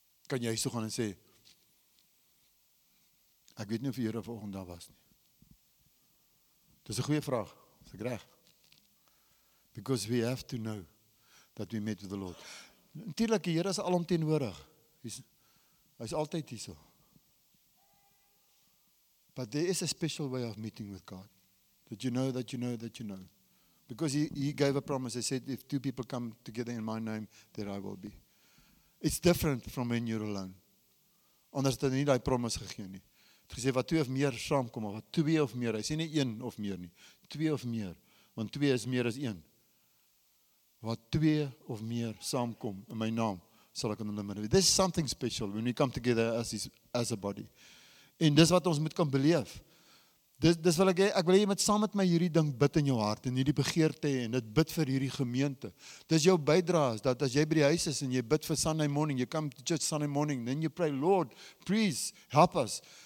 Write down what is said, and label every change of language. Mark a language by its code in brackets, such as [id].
[af] Kan jy so gaan en sê, ek weet nie of die Here vanoggend daar was nie. Dis 'n goeie vraag, is ek reg? [en] Because we have to know that we met with the Lord. [af] Natuurlik, die Here is alomteenwoordig. Hy is altyd hier. [en] But there is a special way of meeting with God. That you know. Because he gave a promise. He said, if two people come together in my name, there I will be. It's different from when you're alone. [af] Anders het hy nie die promise gegee nie. Het gesê, wat twee of meer saamkom, wat twee of meer, hy sê nie een of meer nie. Twee of meer, want twee is meer as een. Wat twee of meer saamkom in my naam, sal ek in hulle midde. [en] This is something special when we come together as a body. [af] En dis wat ons moet kan beleef. Dis wil ek wil jy met saam met my hierdie ding bid in jou hart en hierdie begeerte en dit bid vir hierdie gemeente. Dis jou bydrae dat as jy by die huis is en jy bid vir [en] Sunday morning, you come to church Sunday morning, then you pray, Lord, please help us.